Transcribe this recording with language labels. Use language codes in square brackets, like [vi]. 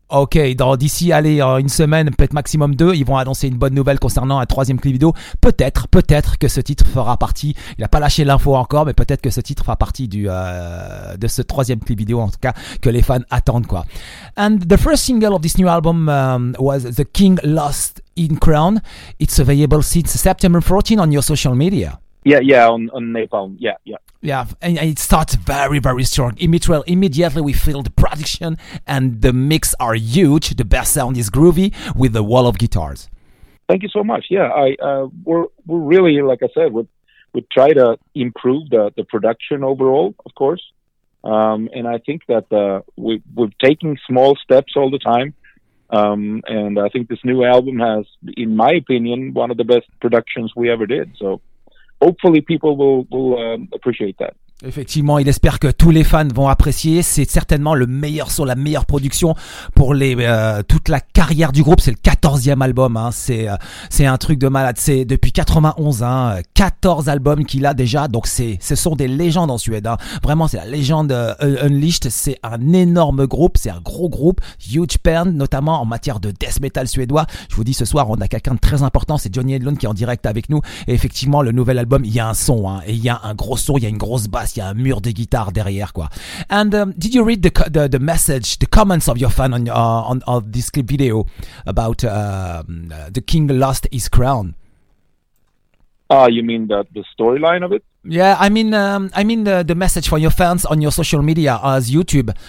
[fr] Ok, d'ici, allez, une semaine, peut-être maximum deux, ils vont annoncer une bonne nouvelle concernant un troisième clip vidéo. Peut-être que ce titre fera partie, il n'a pas lâché l'info encore, mais peut-être que ce titre fera partie de ce troisième clip vidéo, en tout cas, que les fans attendent, quoi. [en] And the first single of this new album was The King Lost in Crown. It's available since September 14 on your social media. Yeah, on Napalm, yeah. Yeah, and it starts very, very strong. Immediately we feel the production and the mix are huge. The bass sound is groovy with a wall of guitars. Thank you so much. Yeah, we're really, like I said, we try to improve the production overall, of course. And I think that we're taking small steps all the time. And I think this new album has, in my opinion, one of the best productions we ever did. So hopefully people will appreciate that. [fr] Effectivement, il espère que tous les fans vont apprécier. C'est certainement le meilleur son, la meilleure production pour toute la carrière du groupe. C'est le 14e album, hein. C'est un truc de malade. C'est depuis 91, hein, 14 albums qu'il a déjà. Donc ce sont des légendes en Suède, hein. Vraiment, c'est la légende Unleashed. C'est un énorme groupe, c'est un gros groupe, [en] huge band, [fr] notamment en matière de death metal suédois. Je vous dis, ce soir, on a quelqu'un de très important. C'est Johnny Enlund qui est en direct avec nous. Et effectivement, le nouvel album, il y a un son, hein, et il y a un gros son, il y a une grosse basse. Il y a un mur de guitare derrière, quoi. [en] And did you read the message, the comments of your fan on this clip video about the king lost his crown? You mean the storyline of it? Yeah, I mean the message for your fans on your social media as YouTube.